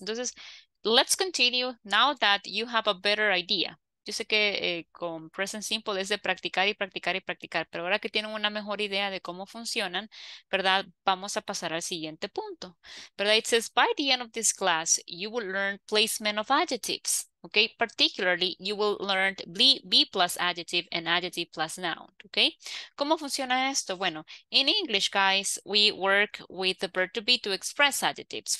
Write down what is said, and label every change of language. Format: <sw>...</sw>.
<en>Entonces, let's continue now that you have a better idea.</en> <es>Yo sé que con Present Simple es de practicar y practicar y practicar, pero ahora que tienen una mejor idea de cómo funcionan, ¿verdad? Vamos a pasar al siguiente punto, ¿verdad?</es> <en>It says, by the end of this class, you will learn placement of adjectives, okay? Particularly, you will learn B plus adjective and adjective plus noun, okay?</en> <es>¿Cómo funciona esto? Bueno,</es> <en>in English, guys, we work with the verb to be to express adjectives.</en>